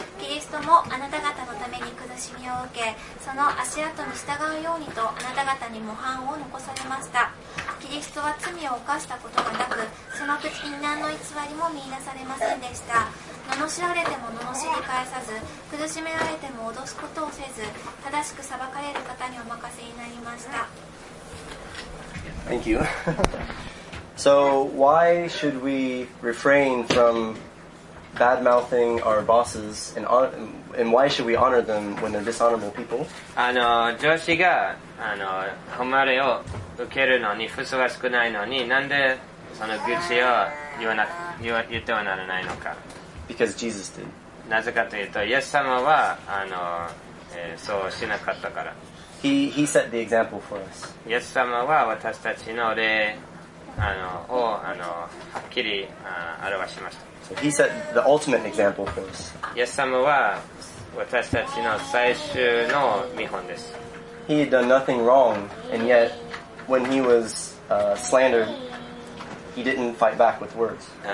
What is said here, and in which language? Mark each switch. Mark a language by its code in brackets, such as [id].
[ja] キリストもあなた方のために苦しみを受け、その足跡に従うようにとあなた方に模範を残されました。キリストは罪を犯したことがなく、その口に何の偽りも見出されませんでした。罵られても罵り返さず、苦しめられても脅すことをせず、正しく裁かれる方にお任せになりました。 [en] Thank you. So why should we refrain from bad-mouthing our bosses and why should we honor them when they're dishonorable people? [ja] 上司が誉れを受けるのにふさわしくないのに、なんでその愚痴を言ってはならないのか。 [en] Because Jesus did. [ja] なぜかというと、イエス様はそうしなかったから。 [en] He set the example for us. [ja] イエス様は私たちの例をはっきり表しました。 [en] So he set the ultimate example for us. [ja] イエス様は私たちの最終の見本です。 [en] He had done nothing wrong, and yet when he was slandered, he didn't fight back with words.